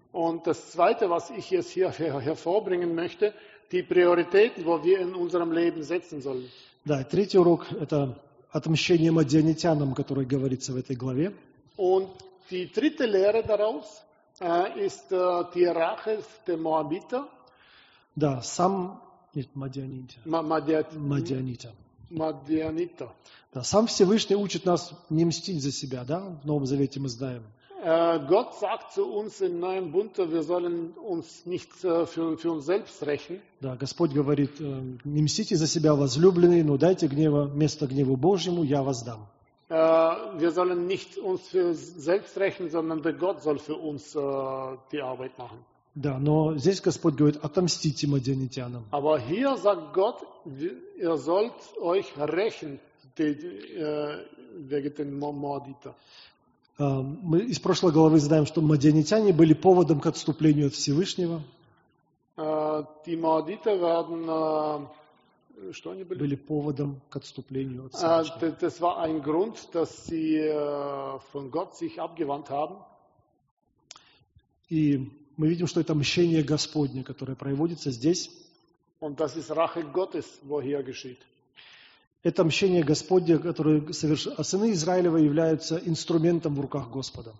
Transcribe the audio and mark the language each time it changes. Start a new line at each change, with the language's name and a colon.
German: Und das Zweite, was ich jetzt hier hervorbringen möchte, die Prioritäten, wo wir in unserem Leben setzen sollen.
Russian: Да, третий урок – это отмщение мадианитянам, который говорится в этой главе.
German: Und die dritte Lehre daraus ist die Rache der Moabiter.
Russian: Да, сам нет, Мадианитя. Да, сам Всевышний учит нас не мстить за себя, да? В Новом Завете мы знаем.
German: Gott sagt zu uns im Neuen Bund, wir sollen uns nicht für uns selbst rächen.
Russian: Да, Господь говорит: не мстите за себя, возлюбленные, но дайте гнева место гневу Божьему, я вас дам.
German: Wir sollen nicht uns für selbst rächen, sondern der Gott soll für uns die Arbeit machen.
Russian: Да, но здесь Господь говорит: отомстите мадианитянам.
German: Aber hier sagt Gott, ihr sollt euch rächen, wegen den Moabiter.
Russian: Мы из прошлой главы знаем, что мадианитяне были поводом к отступлению от Всевышнего.
German: Die Moabiter werden,
Russian: что они были? Были поводом к отступлению от Всевышнего.
German: Das war ein Grund, dass sie von Gott sich abgewandt haben.
Russian: И мы видим, что это мщение Господне, которое проводится здесь.
German: Und das ist Rache Gottes, wo hier geschieht.
Russian: Это мщение Господне, которое совершено. А сыны Израилева являются инструментом в руках Господа.